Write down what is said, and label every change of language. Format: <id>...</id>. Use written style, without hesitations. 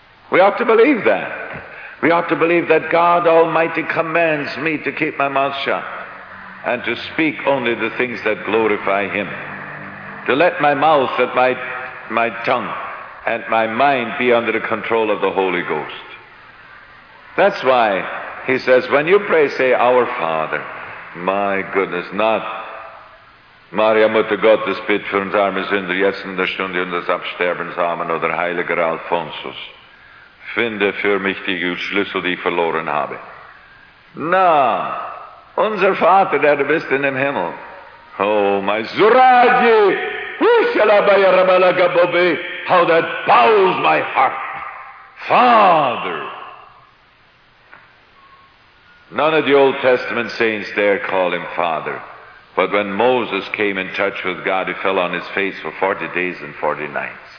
<en>We ought to believe that. We ought to believe that God Almighty commands me to keep my mouth shut and to speak only the things that glorify Him. To let my mouth and my tongue and my mind be under the control of the Holy Ghost. That's why he says, when you pray, say, Our Father. My goodness, not</en> <de>Maria Mutter Gottes, bitte für uns arme Sünder, jetzt in der Stunde unseres Absterbens, Amen, oder Heiliger Alphonsus, finde für mich die Schlüssel, die ich verloren habe. Na, unser Vater, der du bist in dem Himmel.</de> <en>Oh, my Zuradi, who shall I be? How that bows my heart. Father. None of the Old Testament saints dare call him Father. But when Moses came in touch with God, he fell on his face for 40 days and 40 nights.</en>